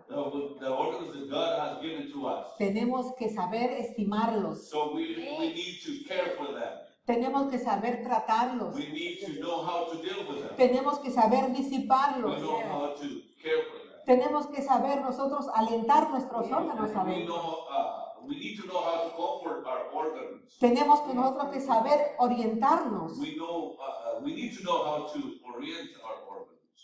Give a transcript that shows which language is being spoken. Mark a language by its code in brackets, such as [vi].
[en] the organs that God has given to us. [es] Tenemos que saber estimarlos. [en] So we need to care for them. [es] Tenemos que saber tratarlos. [en] We need to know how to deal with them. [es] Tenemos que saber disiparlos. [en] We know how to care for them. [es] Tenemos que saber nosotros alentar nuestros órganos a ver. [en] We need to know how to comfort our organs. [es] Tenemos que nosotros que saber orientarnos. [en] We need to know how to orient our organs.